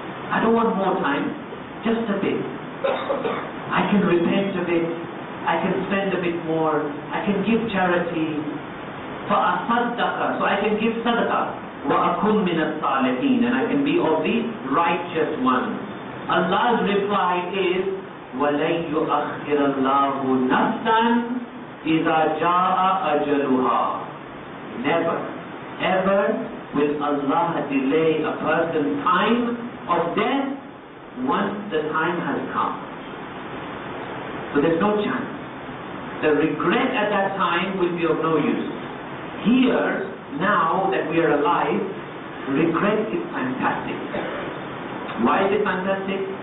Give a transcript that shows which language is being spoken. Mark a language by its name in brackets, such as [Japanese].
[English] I don't want more time, just a bit. I can repent a bit, I can spend a bit more, I can give charity. [Arabic] فَأَصَدَّقَ, [English] so I can give sadaqah. [Arabic] وَأَكُمْ مِنَ الصَّالِحِينَ, [English] and I can be of the righteous ones. Allah's reply is, [Arabic] وَلَنْ يُؤَخِّرَ اللَّهُ نَفْسًا إِذَا جَاءَ أَجَلُهَا. [English] Never, ever will Allah delay a person's time of death once the time has come. So there's no chance. The regret at that time will be of no use. Here, now that we are alive, regret is fantastic. Why is it fantastic?